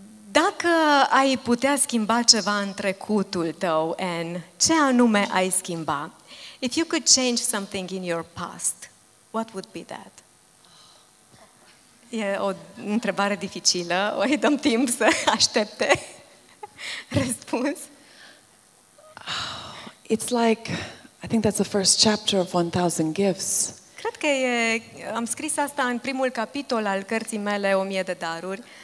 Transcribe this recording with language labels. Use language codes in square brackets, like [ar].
[ro] Dacă ai putea schimba ceva în trecutul tău, Anne, ce anume ai schimba? [en] If you could change something in your past, what would be that? [ro] E o întrebare dificilă. O îi dăm timp să aștepte răspuns. [en] It's like, I think that's the first chapter of 1000 Gifts. [ro] Cred că e, am scris asta în primul capitol al cărții mele 1000 de daruri.